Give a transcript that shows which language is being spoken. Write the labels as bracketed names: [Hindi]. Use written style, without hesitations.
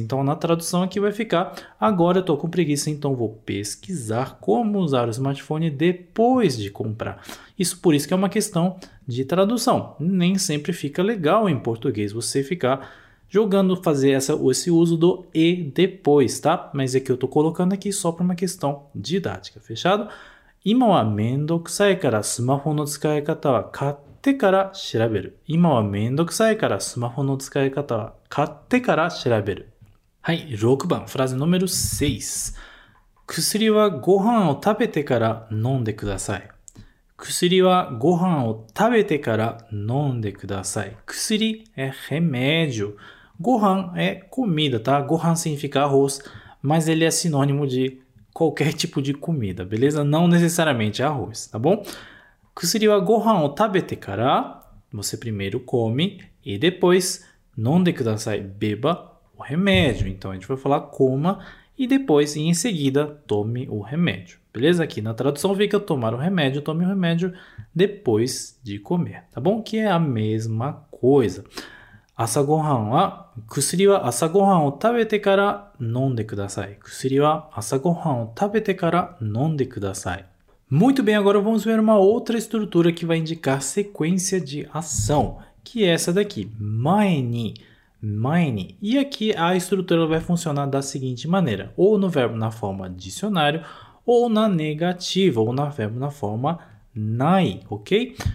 [Portuguese] Então na tradução aqui vai ficar: agora eu tô com preguiça, então vou pesquisar como usar o smartphone depois de comprar. Isso por isso que é uma questão de tradução. Nem sempre fica legal em português você ficar jogando, fazer esse uso do e depois, tá? Mas é que eu tô colocando aqui só para uma questão didática, fechado? [Japanese] 今はめんどくさいから、スマホの使い方は買ってから調べる。今はめんどくさいから、スマホの使い方は買ってから調べる。はい、6番、フラーズ [Portuguese] número 6。 [Japanese] 薬はご飯を食べてから飲んでください。薬はご飯を食べてから飲んでください。 [Portuguese] 薬 é remédio. ご飯 é comida, tá? ご飯 significa arroz, mas ele é sinônimo de qualquer tipo de comida, beleza? Não necessariamente arroz, tá bom? [Japanese] 薬はご飯を食べてから、 [Portuguese] você primeiro come e depois [Japanese] 飲んでください。 [Portuguese] beba o remédio. Então a gente vai falar coma e depois, e em seguida, tome o remédio. Beleza? Aqui na tradução fica: tomar o remédio, tome o remédio depois de comer, tá bom? Que é a mesma coisa. [Japanese] 朝ごはんは、薬は朝ごはんを食べてから飲んでください。薬は朝ごはんを食べてから飲んでください。 [Portuguese] Muito bem, agora vamos ver uma outra estrutura que vai indicar sequência de ação, que é essa daqui: 前に。 [Japanese] 前に。 [Portuguese] E aqui a estrutura vai funcionar da seguinte maneira: ou no verbo na forma dicionário, ou na negativa, ou na verbo na forma nai, ok?